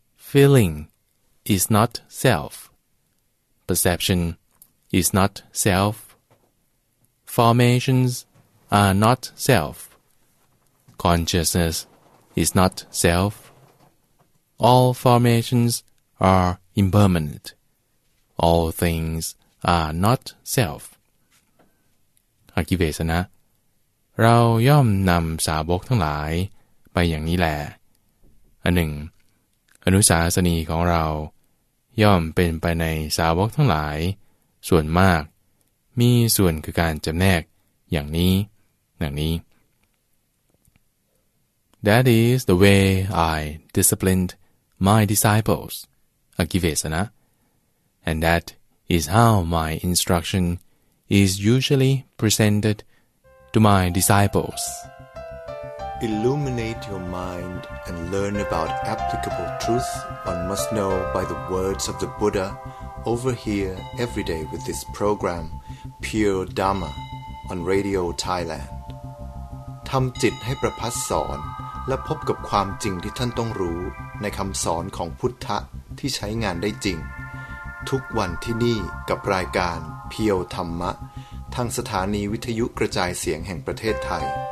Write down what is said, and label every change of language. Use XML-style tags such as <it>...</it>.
<en>Feeling is not self. Perception is not self. Formations are not self. Consciousness is not self. All formations are impermanent. All things are not self.</en> <th>อกิเวสนะเราย่อมนำสาวกทั้งหลายไปอย่างนี้แล อันหนึ่งอนุสาสนีของเราย่อมเป็นไปในสาวกทั้งหลายส่วนมากมีส่วนคือการจำแนกอย่างนี้อย่างนี้</th> <en>That is the way I disciplined my disciples, Akivesana, and that is how my instruction is usually presented to my disciples. Illuminate your mind and learn about applicable truth one must know by the words of the Buddha over here every day with this program, Pure Dharma, on Radio Thailand.</en> <th>ทำจิตให้ประพัสสอนและพบกับความจริงที่ท่านต้องรู้ในคำสอนของพุทธะที่ใช้งานได้จริงทุกวันที่นี่กับรายการเพียวธรรมะทางสถานีวิทยุกระจายเสียงแห่งประเทศไทย</th>